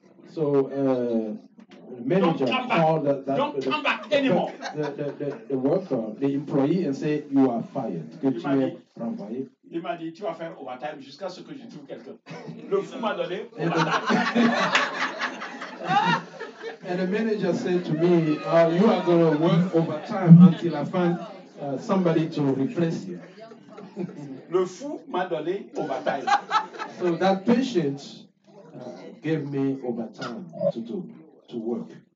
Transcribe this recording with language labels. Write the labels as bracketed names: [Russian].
[English] So, the manager called the worker, the employee, and said, you are fired. [French] Que tu es renvoyé. Il m'a dit, tu vas faire overtime jusqu'à ce que je trouve quelqu'un. Le fou m'a donné overtime. [English] And the manager said to me, you are going to work overtime until I find somebody to replace you. [French] Le fou m'a donné overtime. [English] So that patient gave me overtime to work.